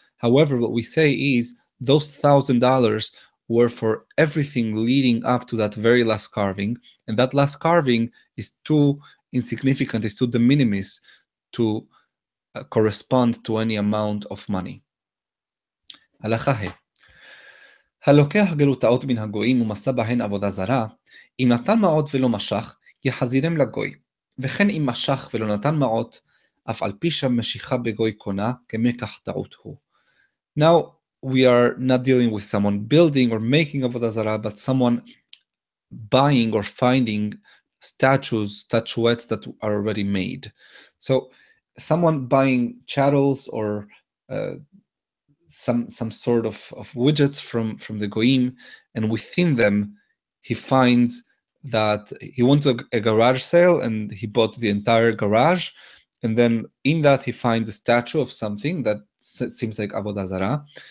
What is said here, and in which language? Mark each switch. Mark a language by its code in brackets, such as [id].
[en] However, what we say is those $1,000 were for everything leading up to that very last carving, and that last carving is too insignificant, is too de minimis to correspond to any amount of money. Halachah. [he] הלוקח גלותאות מן הגויים ומסה בהן עבודה זרה, אם נתן מעות ולא משך, יחזירם לגוי. וכן אם משך ולא נתן מעות, אף על פי שמשיכה בגוי קונה, כמקח טעות הוא. [en] Now, we are not dealing with someone building or making avodah zarah, but someone buying or finding statuettes that are already made. So, someone buying chattels or some sort of widgets from the goyim, and within them, he finds that he went to a garage sale and he bought the entire garage, and then in that he finds a statue of something that seems like avodah zarah.